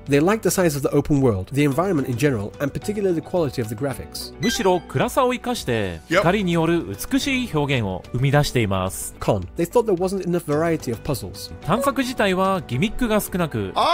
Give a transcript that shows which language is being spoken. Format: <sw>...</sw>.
<en>They like the size of the open world, the environment in general, and particularly the quality of the graphics.</en> <ja>むしろ暗さを生かして、光による美しい表現を生み出しています。</ja> <en>Con. They thought there wasn't enough variety of puzzles.</en> <ja>探索自体はギミックが少なく。</ja>